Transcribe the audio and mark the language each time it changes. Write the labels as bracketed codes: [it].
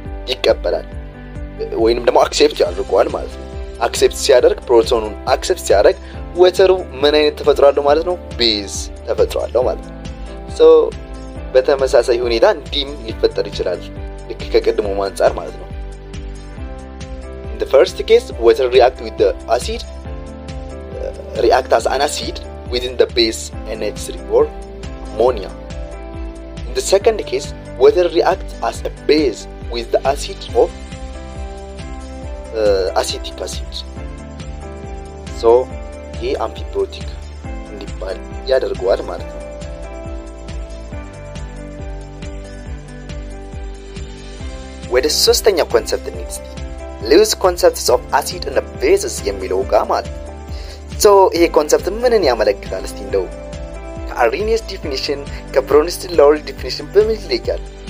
[am] ይቀበላል ወይንም ደግሞ አክሴፕት ያደርጋል ማለት ነው። አክሴፕት ሲያደርግ ፕሮቶኑን አክሴፕት ሲያደርግ ወተሩ ምን አይነት ተፈጥሯል ማለት ነው? ቤዝ ተፈጥሯል ማለት ነው። [en] ሶ በተመሳሳይ ሁኔታ ዲም ሊፈጠር ይችላል ልክ ከቀድሞ ማንጻር ማለት ነው። In the first case, water react with the acid, react as an acid within the base NH3 or ammonia. In the second case, water react as a base with the acid of acetic acid. [am] So, he amphiprotic ይባል ያደርጋል ማለት ነው። ወደ ሶስተኛ ኮንሰፕት እንሂድ። [en] Lewis concepts of acid and bases [am] የሚለው ጋር ማለት ሶ ይህ ኮንሰፕት ምንን ያመለክታል እስቲ እንደው ከአሪኒየስ ዲፊኒሽን ከፕሮኒስት ሎል ዲፊኒሽን በምን ይለያል?